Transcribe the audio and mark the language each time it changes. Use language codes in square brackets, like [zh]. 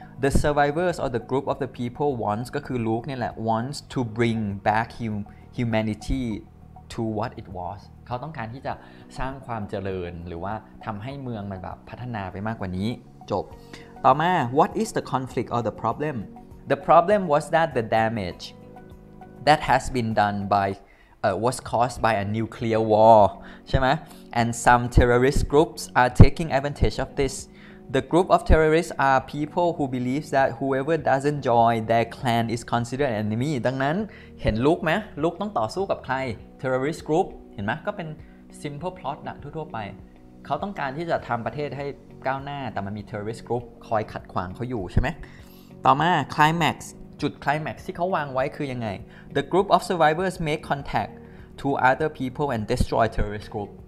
[en] The survivors or the group of the people wants [th] ก็คือ Luke เนี่ยแหละ [en] wants to bring back humanity to what it was [th] เขาต้องการที่จะสร้างความเจริญหรือว่าทำให้เมืองมันแบบพัฒนาไปมากกว่านี้จบต่อมา [en] What is the conflict or the problem? The problem was that the damage that has been done bywas caused by a nuclear war [th] ใช่ไหม [en] and some terrorist groups are taking advantage of thisThe group of terrorists are people who believe that whoever doesn't join their clan is considered an enemy. [th] ดังนั้นเห็นลูกไหมลูกต้องต่อสู้กับใคร terrorist group เห็นไหมก็เป็น simple plot นะทั่วๆไปเขาต้องการที่จะทำประเทศให้ก้าวหน้าแต่มันมี terrorist group คอยขัดขวางเขาอยู่ใช่ไหมต่อมา climax จุด climax ที่เขาวางไว้คือยังไง [en] The group of survivors make contact to other people and destroy terrorist group.